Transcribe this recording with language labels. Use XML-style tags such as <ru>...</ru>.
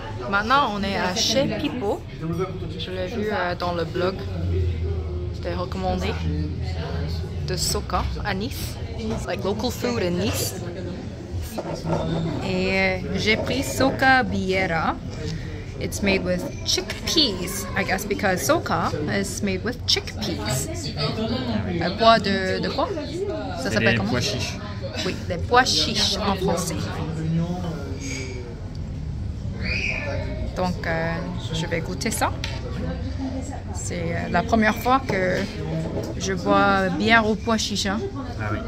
<fr>Maintenant, on est à chez Pipo. Je l'ai vu dans le blog. C'était recommandé de Soka à Nice.</fr> <en>It's like local food in Nice.</en> <fr>Et j'ai pris Soka Biera.</fr> <en>It's made with chickpeas, I guess, because Soka is made with chickpeas.</en> <fr>Un pois de quoi? Ça s'appelle Les comment? pois chiches. Oui, les pois chiches en français. Donc, je vais goûter ça. C'est la première fois que je bois bière au pois chiche. Ah oui.</fr>